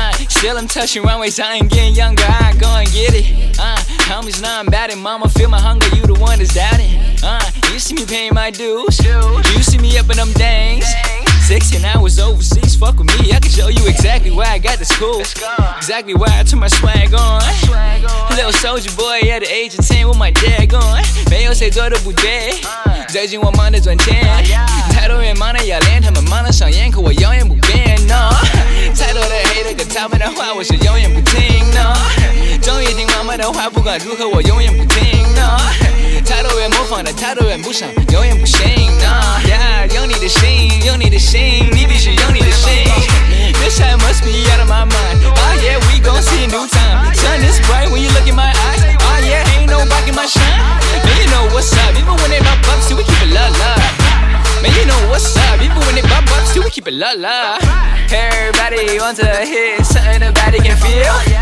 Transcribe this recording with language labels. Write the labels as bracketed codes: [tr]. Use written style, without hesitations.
[en] Still I'm touching runways, I ain't getting younger, I go and get it. Homies know I'm batting, mama feel my hunger, you the one that's doubting. You see me paying my dues, you see me up in them dangs. 16 hours overseas, fuck with me, I can show you exactly why I got this cool. Exactly why I took my swag on. Little soldier boy at the age of 10 with my dad gone. [zh] 没有谁做的不对, 最近我忙得赚钱, 太多人忙得要连他们忙得上眼可我永远不变, no. 太多的黑的歌唱的话我是永远不听, no. 终于听妈妈的话不管如何我永远不听, no. 太多人模仿的太多人不想, 永远不行, no. 用你的心, 用你的心, 你必须用你的心. [en] This shit must be out of my mind. Oh yeah, we gon' see a new time. Sun is bright when you look in my eyes. Oh yeah, ain't no back in my shine. Man, you know what's up, even when they bop up, see we keep it la-la. Man, you know what's up, even when they bop up, see we keep it la-la. Everybody wants to hear something nobody can feel.